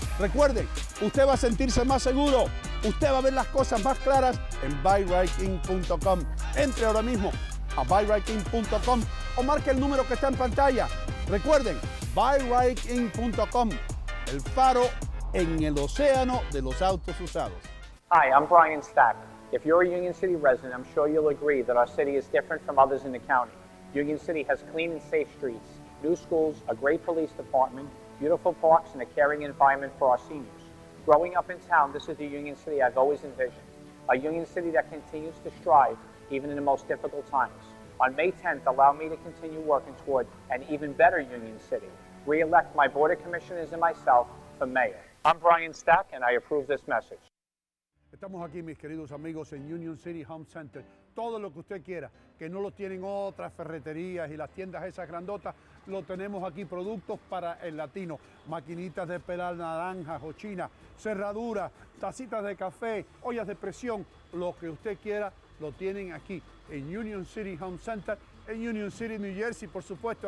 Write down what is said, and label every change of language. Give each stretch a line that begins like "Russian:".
Spanish: Recuerde, usted va a sentirse más seguro, usted va a ver las cosas más claras en buywhiteinc.com. Entre ahora mismo a buywhiteinc.com o marque el número que está en pantalla. Recuerden, buywhiteinc.com, el faro en el océano de los autos usados.
English: Hi, I'm Brian Stack. If you're a Union City resident, I'm sure you'll agree that our city is different from others in the county. Union City has clean and safe streets, new schools, a great police department, beautiful parks, and a caring environment for our seniors. Growing up in town, this is the Union City I've always envisioned, a Union City that continues to strive even in the most difficult times. On May 10th, allow me to continue working toward an even better Union City. Re-elect my board of commissioners and myself for mayor. I'm Brian Stack, and I approve this message.
Spanish: Estamos aquí, mis queridos amigos, en Union City Home Center. Todo lo que usted quiera, que no lo tienen otras ferreterías y las tiendas esas grandotas, lo tenemos aquí, productos para el latino. Maquinitas de pelar naranjas o chinas, cerraduras, tacitas de café, ollas de presión, lo que usted quiera, lo tienen aquí, en Union City Home Center, en Union City, New Jersey, por supuesto.